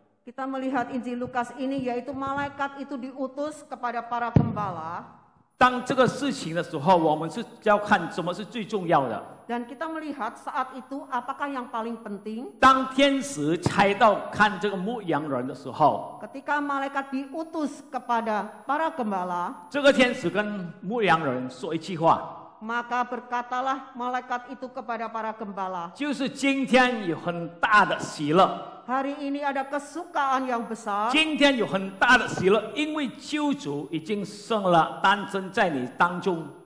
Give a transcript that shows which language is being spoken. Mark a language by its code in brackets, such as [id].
[id] Kita melihat Injil Lukas ini yaitu malaikat itu diutus kepada para gembala. [zh] 当这个事情的时候，我们是要看什么是最重要的。 [id] Dan kita melihat saat itu apakah yang paling penting? [zh] 当天使差到看这个牧羊人的时候， [id] ketika malaikat diutus kepada para gembala， [zh] 这个天使跟牧羊人说一句话， [id] maka berkatalah malaikat itu kepada para gembala， [zh] 就是今天有很大的喜乐， [id] hari ini ada kesukaan yang besar， [zh] 今天有很大的喜乐， 因为救主已经生了，诞生在你当中。